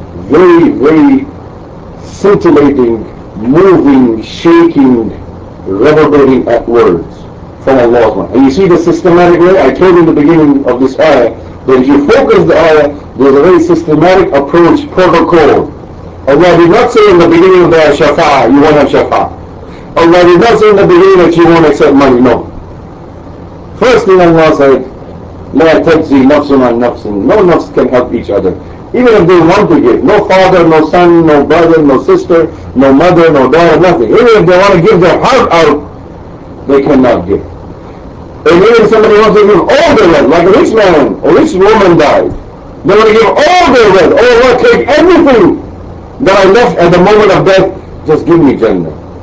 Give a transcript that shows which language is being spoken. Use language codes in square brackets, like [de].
[en] Very, very scintillating, moving, shaking, reverberating at words from Allah. And you see the systematic way? I told you in the beginning of this ayah that if you focus the ayah, there's a very systematic approach, protocol. Allah did not say in the beginning of the ayah, Shafa'ah, you won't have Shafa'ah. Allah did not say in the beginning that you won't accept money, no. First thing Allah said, [ar] لَا تَجْزِي نَفْسٌ عَنْ نَفْسٍ. [en] No nafs can help each other. Even if they want to give, no father, no son, no brother, no sister, no mother, no daughter, nothing. Even if they want to give their heart out, they cannot give. And even if somebody wants to give all their wealth, like a rich man or rich woman died, they want to give all their wealth, oh Allah, take everything that I left at the moment of death, just give me Jannah.